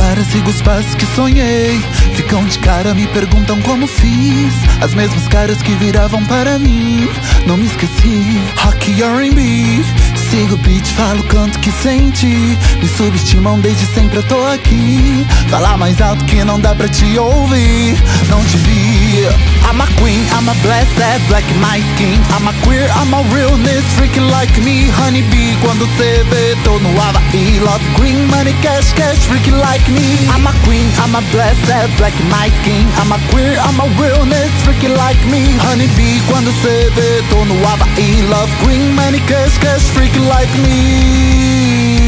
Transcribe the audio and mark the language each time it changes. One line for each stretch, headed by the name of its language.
Portuguese: sigo os passos que sonhei. Ficam de cara, me perguntam como fiz. As mesmas caras que viravam para mim, não me esqueci. Rock e R&B, sigo o beat, falo, canto que senti. Me subestimam, desde sempre eu tô aqui. Falar mais alto que não dá pra te ouvir. Não te vi.
English: I'm a queen, I'm a blessed, black my skin. I'm a queer, I'm a realness, freaking like me. Honey bee,
Portuguese: quando cê vê, tô no Havaí.
English: Love green, money cash, cash, freaking like me. I'm a queen, I'm a blessed, black my skin. I'm a queer, I'm a realness, freaking like me. Honey bee,
Portuguese: quando cê vê, tô no Havaí.
English: Love green, money cash, cash, freaking like me.